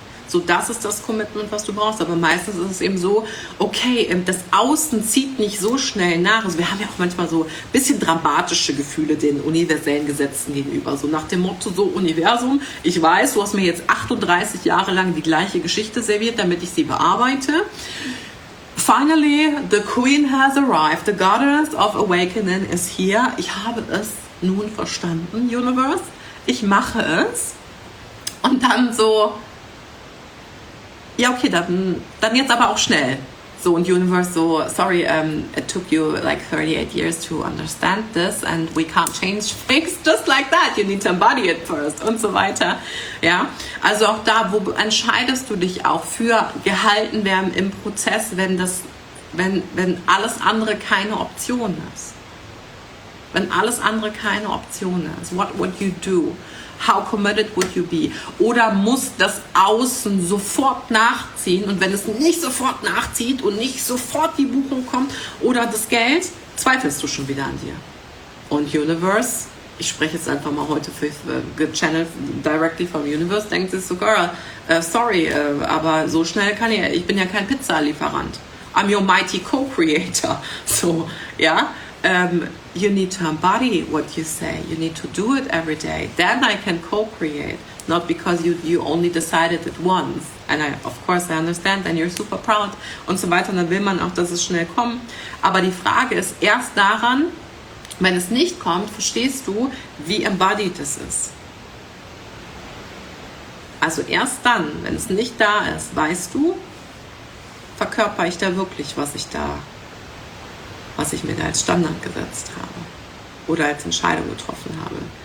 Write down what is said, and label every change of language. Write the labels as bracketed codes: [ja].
[de] So, das ist das Commitment, was du brauchst. Aber meistens ist es eben so, okay, das Außen zieht nicht so schnell nach. Also wir haben ja auch manchmal so ein bisschen dramatische Gefühle den universellen Gesetzen gegenüber. So nach dem Motto, so Universum, ich weiß, du hast mir jetzt 38 Jahre lang die gleiche Geschichte serviert, damit ich sie bearbeite. [en] Finally, the Queen has arrived. The Goddess of Awakening is here. [de] Ich habe es nun verstanden, Universe. Ich mache es. Und dann so, ja, okay, dann jetzt aber auch schnell. So, und [en] Universe so, sorry, it took you like 38 years to understand this and we can't change things just like that. You need to embody it first [de] und so weiter. Ja, also auch da, wo entscheidest du dich auch für gehalten werden im Prozess, wenn alles andere keine Option ist? Wenn alles andere keine Option ist, [en] what would you do? How committed would you be? [de] Oder muss das Außen sofort nachziehen? Und wenn es nicht sofort nachzieht und nicht sofort die Buchung kommt oder das Geld, zweifelst du schon wieder an dir. Und Universe, ich spreche jetzt einfach mal heute für gechannelt directly vom Universe, denkt sich so, [en] girl, sorry, [de] aber so schnell kann ich bin ja kein Pizza-Lieferant. [en] I'm your mighty co-creator. [de] So, ja. [en] You need to embody what you say. You need to do it every day. Then I can co-create. Not because you only decided it once. And I, of course, I understand. And you're super proud. [de] Und so weiter. Und dann will man auch, dass es schnell kommt. Aber die Frage ist erst daran, wenn es nicht kommt, verstehst du, wie embodied es ist. Also erst dann, wenn es nicht da ist, weißt du, verkörper ich da wirklich, was ich mir da als Standard gesetzt habe oder als Entscheidung getroffen habe.